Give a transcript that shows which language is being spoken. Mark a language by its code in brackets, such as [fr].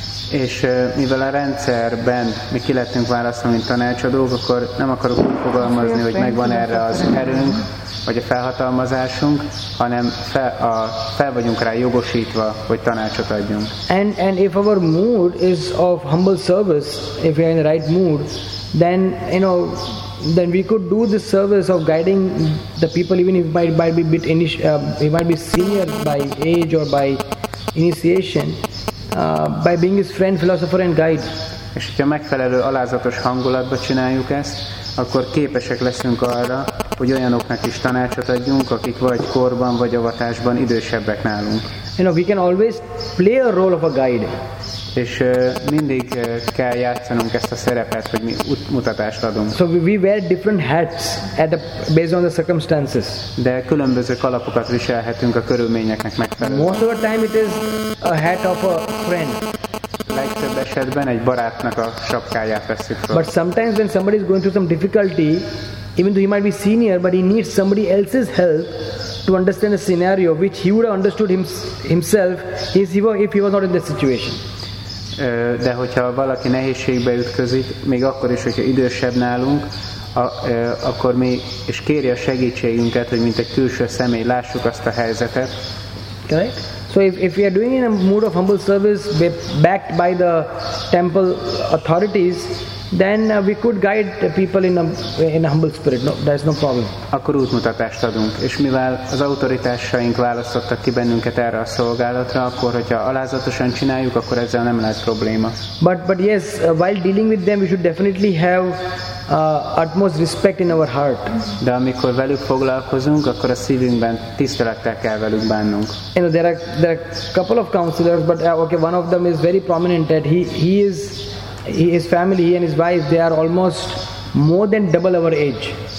[hu] És mivel a rendszerben mi ki lettünk választva, mint tanácsadók, akkor nem akarok fogalmazni, hogy megvan erre az erőnk, vagy a felhatalmazásunk, hanem fel vagyunk rá jogosítva, hogy tanácsot adjunk. [en] And if our mood is of humble service, if we are in the right mood, then, then we could do this service of guiding the people, even if it might be a bit it might be senior by age or by initiation, by being his friend, philosopher and guide. [hu] És hogyha megfelelő alázatos hangulatba csináljuk ezt, akkor képesek leszünk arra, hogy olyanoknak is tanácsot adjunk, akik vagy korban, vagy avatásban idősebbek nálunk. [en] You know, we can always play a role of a guide. [hu] És mindig kell játszanunk ezt a szerepet, hogy mi útmutatást adunk. [en] So we wear different hats based on the circumstances. [hu] De különböző kalapokat viselhetünk a körülményeknek megfelelően. [en] Most of the time it is a hat of a friend. [hu] Legtöbb esetben egy barátnak a sapkáját veszük fel. [en] But sometimes when somebody is going through some difficulty, even though he might be senior, but he needs somebody else's help to understand the scenario which he would have understood himself if he was not in this situation. [hu] De hogyha valaki nehézségbe ütközik, még akkor is, hogyha idősebb nálunk, akkor mi, és kéri a segítségünket, hogy mint egy külső személy lássuk azt a helyzetet. [en] Correct? So if we are doing in a mood of humble service backed by the temple authorities, then we could guide the people in a humble spirit. No, there is no problem. [hu] Akkor útmutatást adunk, és mivel az autoritásaink választottak ki bennünket erre a szolgálatra, akkor hogyha alázatosan csináljuk, akkor ezzel nem lesz probléma. [en] But yes, while dealing with them, we should definitely have utmost respect in our heart. [hu] De amikor velük foglalkozunk, akkor a szívünkben tisztelettel kell velük bánnunk. [en] You know, there are a couple of counselors, but one of them is very prominent. That he is. His family, he and his wife, they are almost more than double our age.